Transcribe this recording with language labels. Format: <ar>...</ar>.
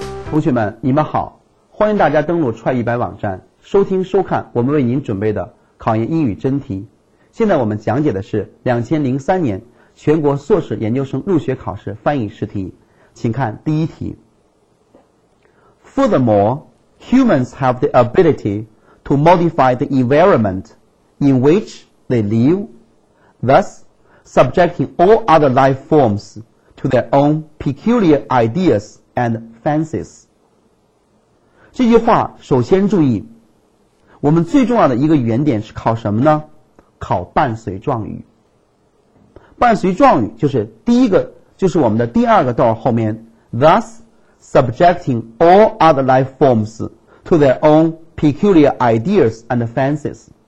<zh>同学们，你们好，欢迎大家登录踹一百网站，收听收看我们为您准备的考研英语真题。现在我们讲解的是2003年全国硕士研究生入学考试翻译试题，请看第一题。</zh> <en>Furthermore, humans have the ability to modify the environment in which they live, thus subjecting all other life forms to their own peculiar ideas and fancies.</en> <zh>这句话首先注意，我们最重要的一个语言点是考什么呢？考伴随状语。伴随状语就是第一个，就是我们的第二个段后面</zh> <en>thus subjecting all other life forms to their own peculiar ideas and fancies.</en>